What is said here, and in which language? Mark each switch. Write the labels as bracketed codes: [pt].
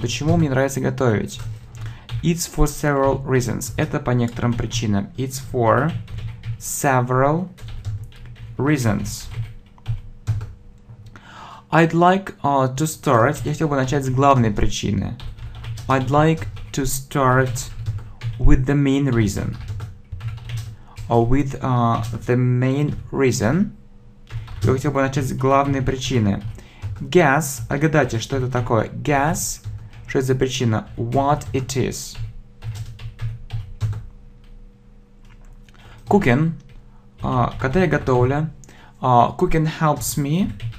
[ru] Почему мне нравится готовить? [en] It's for several reasons. [ru] Это по некоторым причинам. [en] It's for several reasons. I'd like to start. [ru] Я хотел бы начать с главной причины. [en] I'd like to start with the main reason. Or with the main reason. [ru] Я хотел бы начать с главной причины. [en] Guess. [ru] Отгадайте, что это такое. [en] Guess. [ru] Что это за причина? [en] What it is. Cooking. [ru] Когда я готовлю. [en] Cooking helps me.